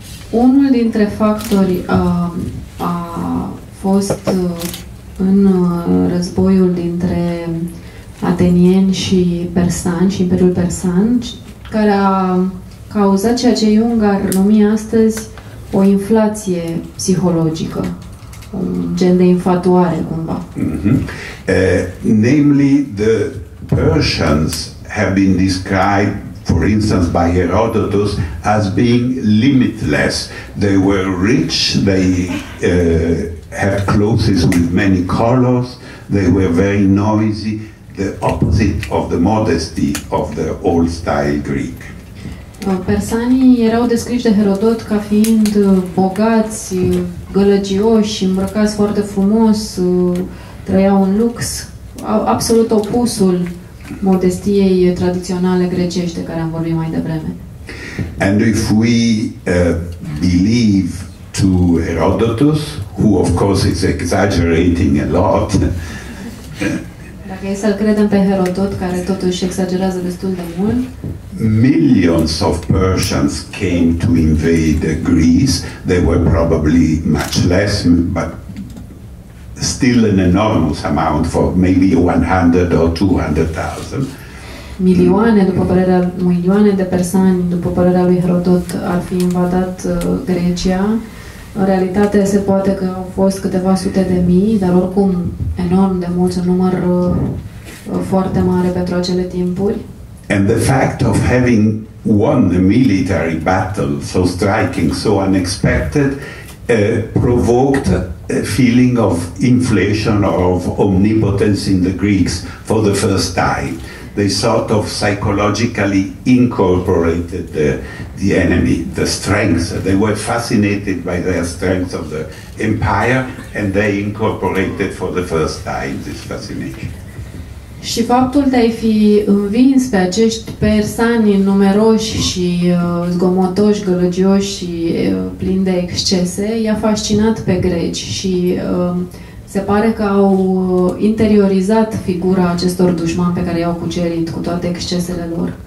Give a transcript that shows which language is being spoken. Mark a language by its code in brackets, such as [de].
[ro] Unul dintre factori a fost în războiul dintre atenieni și persani și Imperiul Persan, care a cauzat ceea ce Jung ar numi astăzi o inflație psihologică, un gen de infatuare, cumva. Mm-hmm. [en] Namely, the Persians have been described, for instance, by Herodotus as being limitless. They were rich, they had clothes with many colors, they were very noisy, the opposite of the modesty of the old style Greek. [ro] Persanii erau descriși de Herodot ca fiind bogați, gălăgioși, îmbrăcați foarte frumos, trăiau în lux, absolut opusul modestiei tradiționale grecești de care am vorbit mai devreme. [en] And if we believe to Herodotus, who of course is exaggerating a lot. [ro] Dacă e să-l credem pe Herodot, care totuși exagerează destul de mult. [en] Millions of Persians came to invade Greece. They were probably much less, but still an enormous amount, for maybe 100 or 200,000. [ro] Milioane, după părerea, milioane de persani, după părerea lui Herodot, ar fi invadat Grecia. În realitate, se poate că au fost câteva sute de mii, dar oricum enorm de mulți, un număr foarte mare pentru acele timpuri. [en] And the fact of having won a military battle so striking, so unexpected, provoked a feeling of inflation or of omnipotence in the Greeks for the first time. They sort of psychologically incorporated the enemy, the strength. They were fascinated by their strength of the empire, and they incorporated for the first time this fascination. [ro] Și faptul de a-i fi învins pe acești persani numeroși și zgomotoși, gălăgioși și plini de excese, i-a fascinat pe greci și se pare că au interiorizat figura acestor dușmani pe care i-au cucerit cu toate excesele lor.